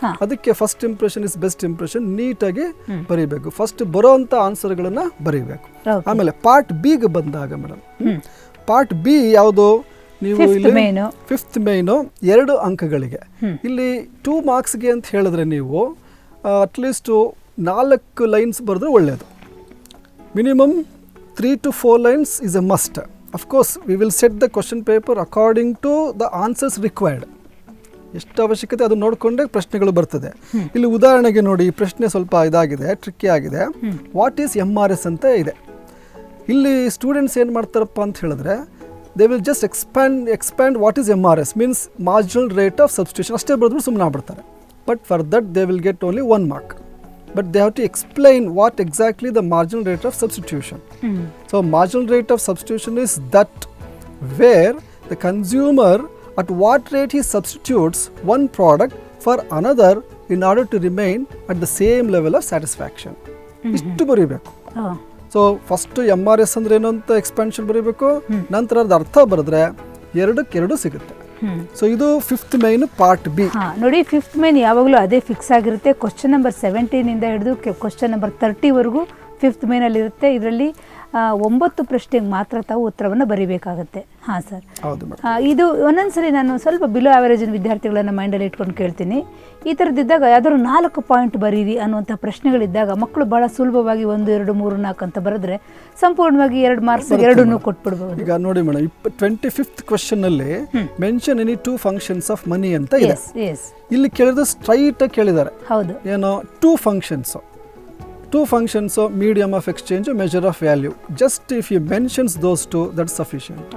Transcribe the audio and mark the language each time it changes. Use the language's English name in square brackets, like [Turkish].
[Kannada] ಅದಕ್ಕೆ [English] first impression is best impression, [Kannada] ನೀಟಾಗಿ ಬರೀಬೇಕು, ಫಸ್ಟ್ ಬರೋ ಅಂತ ಆನ್ಸರ್ ಗಳನ್ನ ಬರೀಬೇಕು. ಆಮೇಲೆ ಪಾರ್ಟ್ ಬಿಗೆ ಬಂದಾಗ ಮೇಡಮ್, ಪಾರ್ಟ್ ಬಿ ಯಾವುದು? ನೀವು ಫಿಫ್ತ್ ಮೈನ್ 2 ಅಂಕಗಳಿಗೆ, ಇಲ್ಲಿ 2 ಮಾರ್ಕ್ಸ್ಗೆ ಅಂತ ಹೇಳಿದ್ರೆ ನೀವು ಅಟ್ಲೀಸ್ಟ್ 4 ಲೈನ್ಸ್ ಬರೆದ್ರೆ ಒಳ್ಳೆಯದು. [English] Minimum 3 to 4 lines is a must. Of course, we will set the question paper according to the answers required. [Kannada] ಎಷ್ಟು ಅವಶ್ಯಕತೆ ಅದನ್ನ ನೋಡಿಕೊಂಡ್ರೆ ಪ್ರಶ್ನೆಗಳು ಬರ್ತದೆ. ಇಲ್ಲಿ ಉದಾಹರಣೆಗೆ ನೋಡಿ, ಈ ಪ್ರಶ್ನೆ ಸ್ವಲ್ಪ ಇದಾಗಿದೆ, ಟ್ರಿಕ್ಕಿ ಆಗಿದೆ. [English] what is MRS [Kannada] ಅಂತ ಇದೆ. ಇಲ್ಲಿ [English] students [Kannada] ಏನು ಮಾಡ್ತಾರಪ್ಪ ಅಂತ ಹೇಳಿದ್ರೆ, [English] they will just expand what is MRS, means marginal rate of substitution, [Kannada] ಅಷ್ಟೇ ಬರೆದ್ರು ಸುಮ್ಮನೆ ಆಗ್ಬಿಡ್ತಾರೆ. [English] But for that they will get only 1 mark. But they have to explain what exactly the marginal rate of substitution. So marginal rate of substitution is that where the consumer at what rate he substitutes one product for another in order to remain at the same level of satisfaction. [Kannada] ಇಷ್ಟು ಬರೀಬೇಕು. So first MRS ಅಂದ್ರೆ ಏನು ಅಂತ expansion ಬರೀಬೇಕು, ನಂತರ ಅದ ಅರ್ಥ ಬರೆದ್ರೆ ಎರಡಕ್ಕೆರಡು ಸಿಗುತ್ತೆ. [English] ಸೊ ಇದು 5th main part B. [Kannada] ನೋಡಿ, 5th main ಯಾವಾಗಲೂ ಅದೇ ಫಿಕ್ಸ್ ಆಗಿರುತ್ತೆ. ಕ್ವಶನ್ ನಂಬರ್ 17 ಇಂದ ಹಿಡಿದು ಕ್ವಶನ್ ನಂಬರ್ 30 ವರೆಗೂ 5th main ಅಲ್ಲಿರುತ್ತೆ. ಇದರಲ್ಲಿ 9 ಪ್ರಶ್ನೆಗೆ ಮಾತ್ರ ತಾವು ಉತ್ತರವನ್ನು ಬರೀಬೇಕಾಗುತ್ತೆ. ಹಾಂ ಸರ್, ಇದು ಒಂದೊಂದ್ಸರಿ ನಾನು ಸ್ವಲ್ಪ ಬಿಲೋ ಆವರೇಜ್ ವಿದ್ಯಾರ್ಥಿಗಳನ್ನು ಮೈಂಡಲ್ಲಿ ಇಟ್ಕೊಂಡು ಕೇಳ್ತೀನಿ. ಈ ಥರದ್ದಿದ್ದಾಗ ಯಾವ್ದಾದ್ರು 4 points ಬರೀರಿ ಅನ್ನುವಂಥ ಪ್ರಶ್ನೆಗಳಿದ್ದಾಗ ಮಕ್ಕಳು ಭಾಳ ಸುಲಭವಾಗಿ 1, 2, 3, 4 ಅಂತ ಬರೆದ್ರೆ ಸಂಪೂರ್ಣವಾಗಿ 2 marks ಎರಡನ್ನೂ ಕೊಟ್ಬಿಡ್ಬೋದು. ಈಗ ನೋಡಿ ಮೇಡಮ್, [English] 25th question ಅಲ್ಲಿ mention any 2 functions of money [Kannada] ಅಂತ ಇದೆ. [English] yes, [Kannada] ಇಲ್ಲಿ ಕೇಳಿದ್ರೆ ಸ್ಟ್ರೈಟ್ ಆಗಿ ಕೇಳಿದ್ದಾರೆ. ಹೌದು, [English] ಏನೋ 2 functions. Two functions of medium of exchange, measure of value. Just if you mentions those two, that's sufficient.